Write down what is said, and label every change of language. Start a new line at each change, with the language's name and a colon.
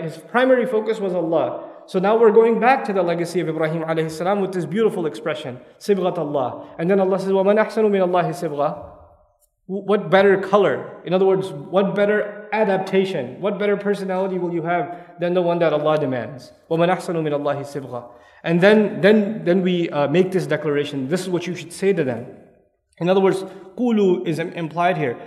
English: His primary focus was Allah. So now we're going back to the legacy of Ibrahim alayhi salam with this beautiful expression,
Arabic: صِبْغَةَ اللَّهِ.
English: And then Allah says,
Arabic: وَمَنْ أَحْسَنُ مِنَ اللَّهِ صِبْغَةَ.
English: What better color? In other words, what better adaptation? What better personality will you have than the one that Allah demands?
Arabic: وَمَنْ أَحْسَنُ مِنَ اللَّهِ صِبْغَةَ.
English: And then we make this declaration. This is what you should say to them. In other words, قُولُ is implied here.